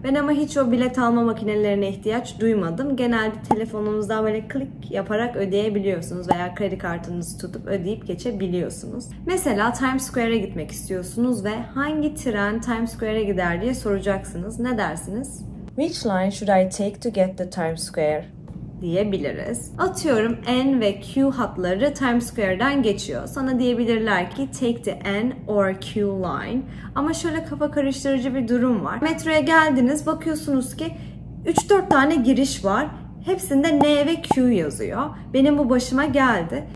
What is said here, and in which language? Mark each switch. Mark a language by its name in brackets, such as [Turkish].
[Turkish] Ben ama hiç o bilet alma makinelerine ihtiyaç duymadım. Genelde telefonunuzdan böyle klik yaparak ödeyebiliyorsunuz veya kredi kartınızı tutup ödeyip geçebiliyorsunuz. Mesela Times Square'e gitmek istiyorsunuz ve hangi tren Times Square'e gider diye soracaksınız. Ne dersiniz? [English] Which line should I take to get to Times Square? [Turkish] Diyebiliriz. Atıyorum N ve Q hatları Times Square'den geçiyor. Sana diyebilirler ki [English] take the N or Q line. [Turkish] Ama şöyle kafa karıştırıcı bir durum var. Metroya geldiniz, bakıyorsunuz ki 3-4 tane giriş var. Hepsinde N ve Q yazıyor. Benim bu başıma geldi.